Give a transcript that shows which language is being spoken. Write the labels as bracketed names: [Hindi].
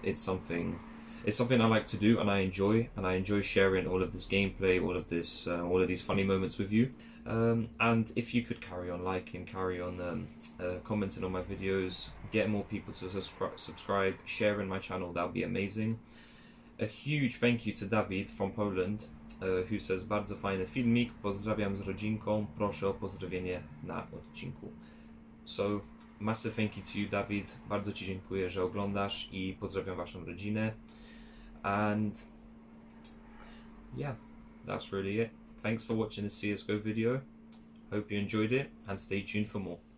[English] It's something I like to do, and I enjoy sharing all of this gameplay, all of this, all of these funny moments with you. And if you could carry on liking, carry on commenting on my videos, get more people to subscribe, sharing my channel, that would be amazing. A huge thank you to David from Poland, who says, bardzo fajny filmik, pozdrawiam z rodzinką, proszę o pozdrowienie na odcinku. So, massive thank you to you, David. [Polish] Bardzo ci dziękuję, że oglądasz i pozdrawiam waszą rodzinę. [English] And yeah, that's really it. Thanks for watching the CSGO video. Hope you enjoyed it and stay tuned for more.